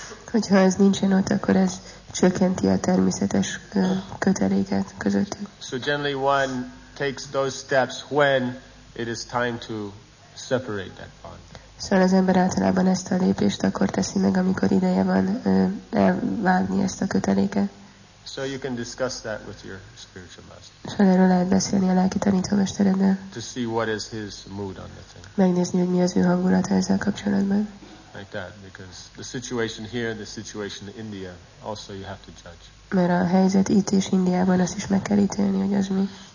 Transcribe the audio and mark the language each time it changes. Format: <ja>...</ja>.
<hu>Hogyha ez nincsen ott, akkor ez csökkenti a természetes köteléket közöttük.</hu> <en>So generally one takes those steps when it is time to separate that bond.</en> <hu>Szóval az ember általában ezt a lépést akkor teszi meg, amikor ideje van elvágni ezt a köteléket.</hu> <en>So you can discuss that with your spiritual master.</en> <hu>Szóval erről lehet beszélni a lelki tanítómestereddel.</hu> <en>To see what is his mood on the thing.</en> <hu>Megnézni, hogy mi az ő hangulata ezzel kapcsolatban.</hu> <en>like that because the situation here and the situation in India also you have to judge.</en> <hu>Mert a helyzet itt és Indiában azt is meg kell ítélni, hogy az mi.</hu>